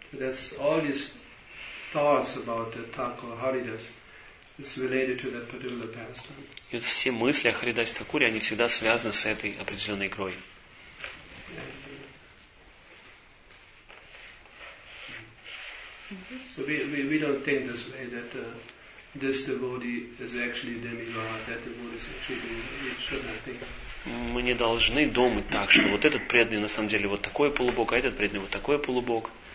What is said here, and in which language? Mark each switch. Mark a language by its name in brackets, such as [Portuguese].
[English] So that's all these thoughts about the Thakur Haridas is related to that particular pastime. [Russian] И вот все мысли о Харидасе Такуре, они всегда связаны с этой определенной игрой. [English] So we don't think this way that this devotee is actually demigod, that devotee is actually demigod. We should not think. [Russian] Мы не должны думать так, что вот этот преданный на самом деле вот такой полубог, а этот преданный вот такой полубог.